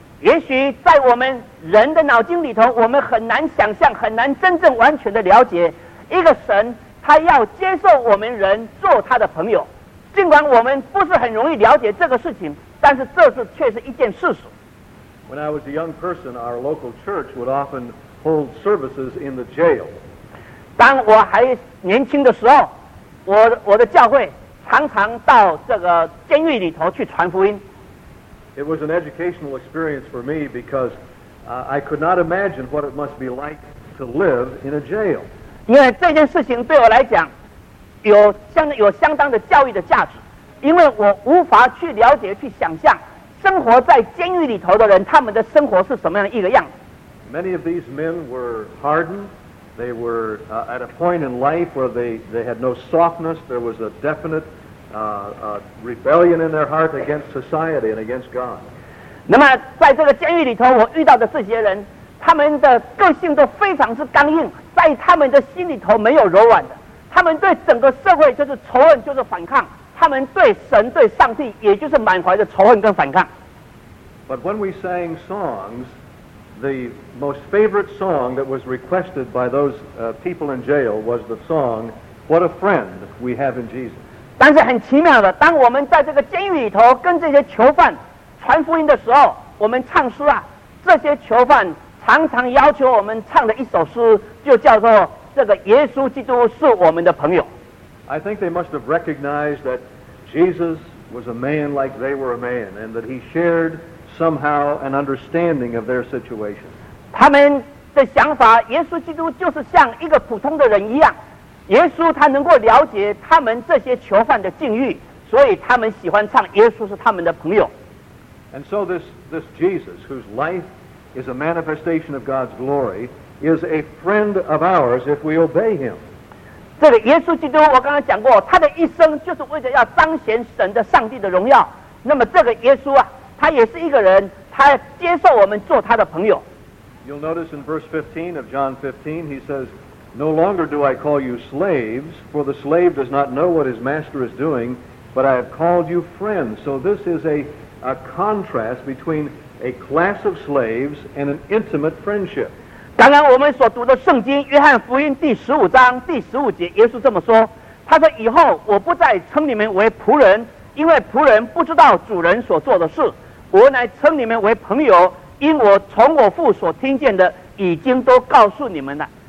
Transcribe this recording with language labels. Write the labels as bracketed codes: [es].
[zh] 也许在我们人的脑筋里头，我们很难想象，很难真正完全的了解一个神他要接受我们人做他的朋友。尽管我们不是很容易了解这个事情，但是这是却是一件事实。 [en] When I was a young person, our local church would often hold services in the jail. [zh] 当我还年轻的时候，我的教会常常到这个监狱里头去传福音。 [en] It was an educational experience for me because I could not imagine what it must be like to live in a jail. [zh] 因为这件事情对我来讲有相当的教育的价值，因为我无法去了解去想象生活在监狱里头的人他们的生活是什么样的一个样子。 [en] Many of these men were hardened. They were at a point in life where they had no softness. There was a definite rebellion in their heart against society and against God. [zh] 那么在这个监狱里头我遇到的这些人，他们的个性都非常是刚硬，在他们的心里头没有柔软的，他们对整个社会就是仇恨，就是反抗，他们对神对上帝也就是满怀的仇恨跟反抗。 [en] But when we sang songs, the most favorite song that was requested by those people in jail was the song What a Friend We Have in Jesus. [zh] 但是很奇妙的，当我们在这个监狱里头跟这些囚犯传福音的时候，我们唱诗啊，这些囚犯常常要求我们唱的一首诗就叫做这个耶稣基督是我们的朋友。 [en] I think they must have recognized that Jesus was a man like they were a man, and that he shared somehow an understanding of their situation. [zh] 他们的想法，耶稣基督就是像一个普通的人一样，耶稣他能够了解他们这些囚犯的境遇，所以他们喜欢唱耶稣是他们的朋友。 [en] And so this Jesus, whose life is a manifestation of God's glory, is a friend of ours if we obey him. [zh] 这个耶稣基督我刚刚讲过，他的一生就是为了要彰显神的上帝的荣耀。那么这个耶稣啊，他也是一个人，他接受我们做他的朋友。 [en] You'll notice in verse 15 of John 15, he says, No longer do I call you slaves, for the slave does not know what his master is doing, but I have called you friends. So this is a contrast between a class of slaves and an intimate friendship. [zh] 刚刚我们所读的圣经，约翰福音第十五章第十五节，耶稣这么说，他说以后我不再称你们为仆人，因为仆人不知道主人所做的事，我乃称你们为朋友，因我从我父所听见的已经都告诉你们了。